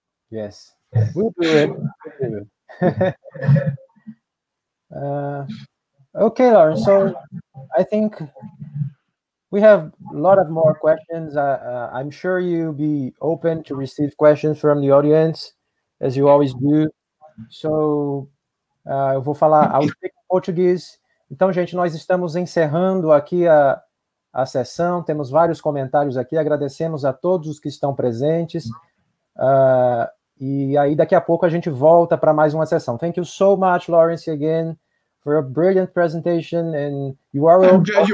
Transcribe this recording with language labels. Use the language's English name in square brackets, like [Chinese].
[English] Yes, we'll do it. okay, Lauren, so I think we have a lot of more questions. I'm sure you'll be open to receive questions from the audience, as you always do. [Portuguese] So eu vou falar em português. Então, gente, nós estamos encerrando aqui a sessão, temos vários comentários aqui, agradecemos a todos os que estão presentes, e aí daqui a pouco a gente volta para mais uma sessão. [English] Thank you so much, Laurence, again, for a brilliant presentation, and you are welcome.